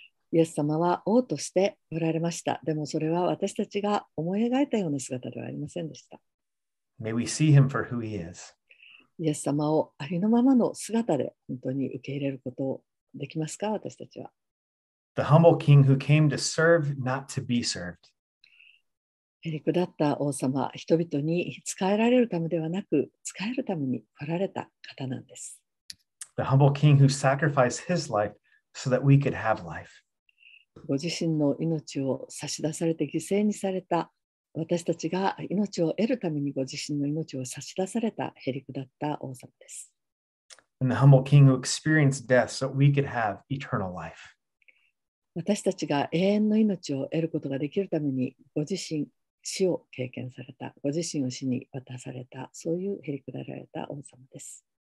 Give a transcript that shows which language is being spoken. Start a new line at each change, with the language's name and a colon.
Japanese: イエス様は王として来られました。でもそれは私たちが思い描いたような姿ではありませんでした。
English: May we see him for who he is.
Japanese: イエス様をありのままの姿で本当に受け入れることできますか、私たちは。
English: The humble king who came to serve, not to be served.
Japanese: へりくだった王様、人々に仕えられるためではなく、仕えるために来られた方なんです。
English: The humble king who sacrificed his life so that we could have life.
Japanese: ご自身の命を差し出されて犠牲にされた、私たちが命を得るためにご自身の命を差し出されたへりくだった王様です。
English: And the humble king who experienced death so we could have eternal life.
Japanese: 私たちが永遠の命を得ることができるためにご自身死を経験された、ご自身を死に渡された、そういうへりくだられた王様です。